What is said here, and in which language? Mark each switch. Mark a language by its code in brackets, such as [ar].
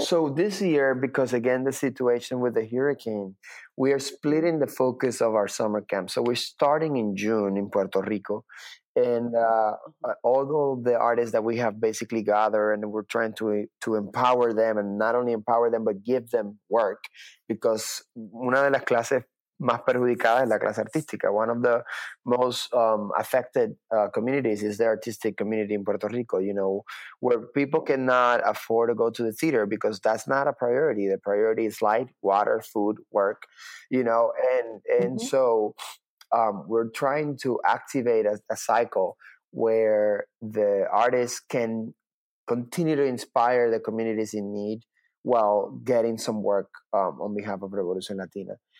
[en] So this year, because again, the situation with the hurricane, we are splitting the focus of our summer camp. So we're starting in June in Puerto Rico. And all the artists that we have basically gathered, and we're trying to empower them, and not only empower them, but give them work. Because [es] una de las clases más perjudicada es la clase artística. [en] One of the most affected communities is the artistic community in Puerto Rico, you know, where people cannot afford to go to the theater because that's not a priority. The priority is light, water, food, work, you know. And mm-hmm. so we're trying to activate a cycle where the artists can continue to inspire the communities in need while getting some work on behalf of Revolución Latina.